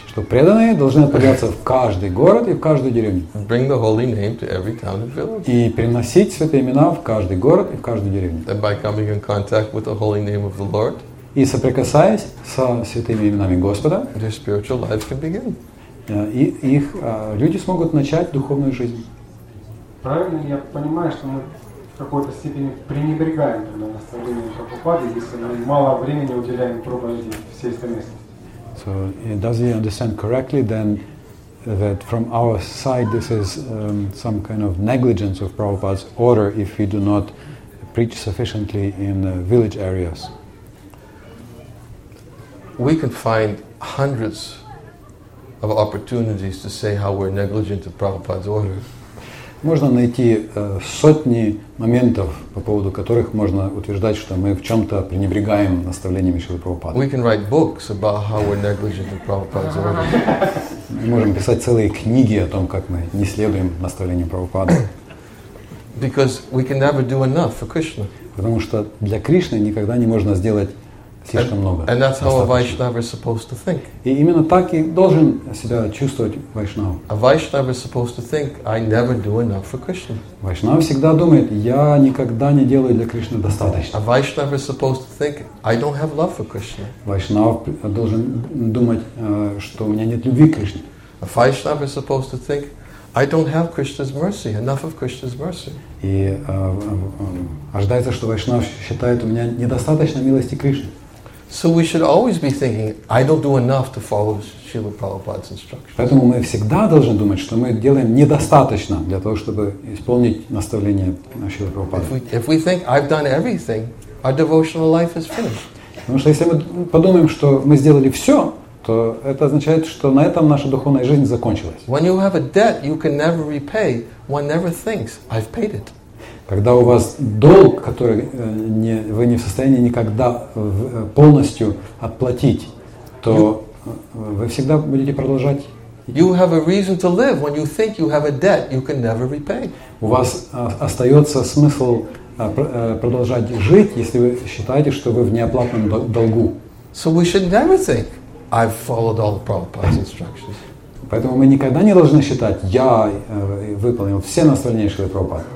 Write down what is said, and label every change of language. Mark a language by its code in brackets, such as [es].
[ru] Что преданные должны отправляться в каждый город и в каждую деревню. [en] Bring the holy name to every town and village. [ru] И приносить святые имена в каждый город и в каждую деревню. [en] And by coming in contact with the holy name of the Lord, [ru] и соприкасаясь со святыми именами Господа, [en] their spiritual life can begin. [ru] Их люди смогут начать духовную жизнь. Правильно, я понимаю, что мы в какой-то степени пренебрегаем наставлением Прабхупады, если мы мало времени уделяем проповеди в сельской местности. [en] So, does he understand correctly then that from our side this is some kind of negligence of Prabhupada's order if we do not preach sufficiently in village areas? We can find hundreds of opportunities to say how we're negligent of Prabhupada's order. [ru] Можно найти сотни моментов, по поводу которых можно утверждать, что мы в чем-то пренебрегаем наставлениями Шрилы Прабхупады. [en] We can write books about how we're negligent of Prabhupada's order. [ru] Мы можем писать целые книги о том, как мы не следуем наставлениям Прабхупады. [en] Because we can never do enough for Krishna. [ru] Потому что для Кришны никогда не можно сделать. [en] And that's how a Vaishnava is supposed to think. [ru] И именно так и должен себя чувствовать Вайшнава. [en] A Vaishnava is supposed to think, I never do enough for Krishna. [ru] Вайшнава всегда думает, я никогда не делаю для Кришны достаточно. [en] A Vaishnava is supposed to think, I don't have love for Krishna. [ru] Вайшнава должен думать, что у меня нет любви к Кришне. [en] A Vaishnava is supposed to think, I don't have Krishna's mercy, enough of Krishna's mercy. [ru] И ожидается, что Вайшнав считает, у меня недостаточно милости Кришны. [en] So we should always be thinking, I don't do enough to follow Srila Prabhupada's instructions. [ru] Поэтому мы всегда должны думать, что мы делаем недостаточно для того, чтобы исполнить наставление Шрилы Прабхупады. [en] If we think I've done everything, our devotional life is finished. [ru] Потому что если мы подумаем, что мы сделали все, то это означает, что на этом наша духовная жизнь закончилась. [en] When you have a debt you can never repay, one never thinks, I've paid it. [ru] Когда у вас долг, который не, вы не в состоянии никогда полностью отплатить, то вы всегда будете продолжать. [en] You have a reason to live when you think you have a debt you can never repay. [ru] У вас остается смысл продолжать жить, если вы считаете, что вы в неоплатном долгу. [en] So we should never think I've followed all the Prabhupada's instructions. [ru] Поэтому мы никогда не должны считать, я выполнил все наставления Шрилы Прабхупады.